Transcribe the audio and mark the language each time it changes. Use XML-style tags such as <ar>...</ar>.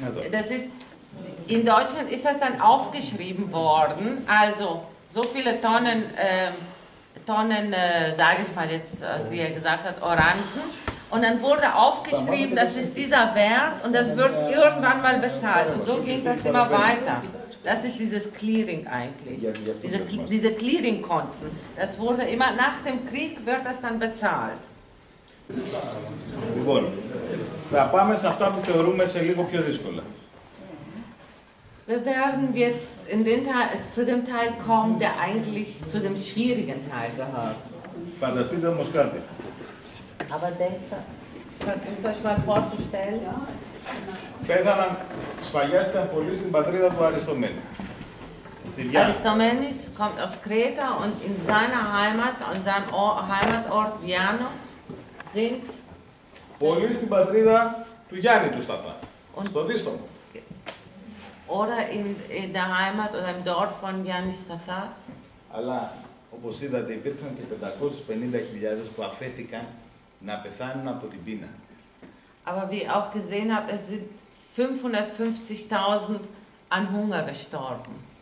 <de>Das ist, in Deutschland ist das dann aufgeschrieben worden, also so viele Tonnen, Tonnen sage ich mal jetzt, wie er gesagt hat, Orangen. Und dann wurde aufgeschrieben, das ist dieser Wert und das wird irgendwann mal bezahlt. Und so ging das immer weiter. Das ist dieses Clearing eigentlich. Diese Clearing-Konten. Das wurde immer, nach dem Krieg wird das dann bezahlt.</de> <el>Λοιπόν, θα πάμε σε αυτά που θεωρούμε σε λίγο πιο δύσκολα.</el> <de>Wir werden jetzt in den zu dem Teil kommen, der eigentlich zu dem schwierigen Teil gehört.</de> <el>Φανταστείτε όμως κάτι.</el> <de>Aber denkt, um euch mal vorzustellen.</de> <el>Πέθαναν, σφαγιάστηκαν πολύ στην πατρίδα του Αριστομένη.</el> <de>Αριστομένης kommt aus Kreta und in seiner Heimat, an seinem Heimatort Vianos,</de> <el>πολύ στην πατρίδα του Γιάννη του Σταθά, στο Δίστομο.</el> <de>Oder in der Heimat oder im Dorf von Yannis Stathas.</de> <el>Αλλά, όπως είδατε, υπήρξαν και 550.000 που αφέθηκαν να πεθάνουν από την πείνα.</el> <de>Aber wie auch gesehen habt, es sind 550.000 an Hunger gestorben.</de>